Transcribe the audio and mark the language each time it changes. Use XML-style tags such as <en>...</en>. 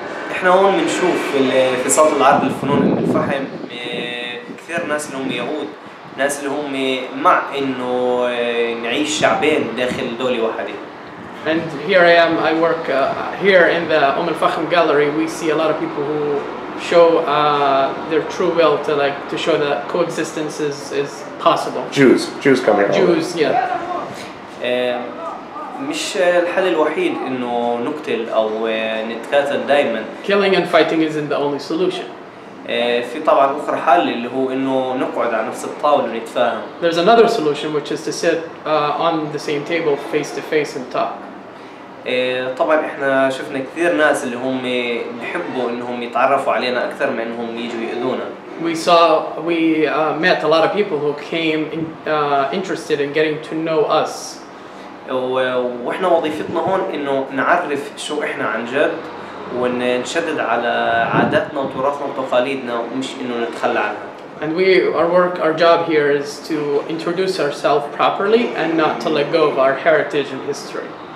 <ar>إحنا هون منشوف في صوت العرب الفنون من الفحم كثير ناس اللي هم يهود ناس اللي هم مع إنه نعيش شعبين داخل دولة واحدة.</ar> <en>And here I am. I work here in the Umm al-Fakhm gallery. We see a lot of people who show their true will to like to show that coexistence is possible. Jews come here. Jews, yeah.</en> <ar>مش الحل الوحيد انه نقتل او نتقاتل دائما</ar> <en>killing and fighting isn't the only solution</en> <ar>في طبعا اخرى حل اللي هو انه نقعد على نفس الطاوله ونتفاهم</ar> <en>there's another solution which is to sit on the same table face to face and talk</en> <ar>طبعا احنا شفنا كثير ناس اللي هم بيحبوا انهم يتعرفوا علينا اكثر من انهم يجوا يؤذونا</ar> <en>We met a lot of people who came interested in getting to know us.</en> <ar>واحنا وظيفتنا هون انه نعرف شو احنا عن جد ونشدد على عاداتنا وتراثنا وتقاليدنا ومش انه نتخلى عنها.</ar> <en>And we our job here is to introduce ourselves properly and not to let go of our heritage and history.</en>